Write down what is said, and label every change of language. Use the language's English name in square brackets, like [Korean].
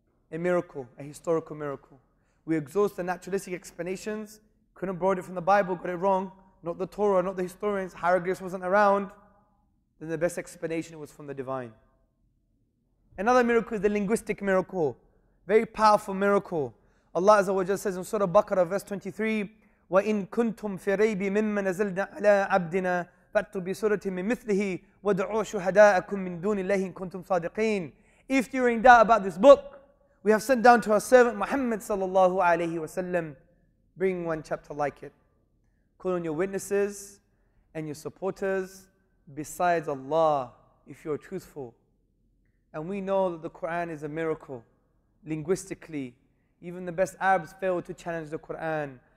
[English] A miracle, a historical miracle. We exhaust the naturalistic explanations, couldn't borrow it from the Bible, got it wrong. Not the Torah, not the historians, hieroglyphs wasn't around. Then the best explanation was from the divine. Another miracle is the linguistic miracle. Very powerful miracle. Allah Azza wa Jalla says in Surah Baqarah verse 23, [Arabic] وَإِنْ كُنْتُمْ فِي رَيْبِ مِمَّا نَزَلْنَا عَلَىٰ عَبْدِنَا فَأْتُوا بِسُورَةٍ مِنْ مِثْلِهِ وَدْعُوا شُهَدَاءَكُمْ مِنْ دُونِ اللَّهِ إِنْ كُنْتُمْ صَادِقِينَ. [English] If you're in doubt about this book, we have sent down to our servant Muhammad sallallahu alayhi wa sallam, bring one chapter like it. Call on your witnesses and your supporters besides Allah if you're truthful. And we know that the Quran is a miracle. Linguistically, even the best Arabs failed to challenge the Quran.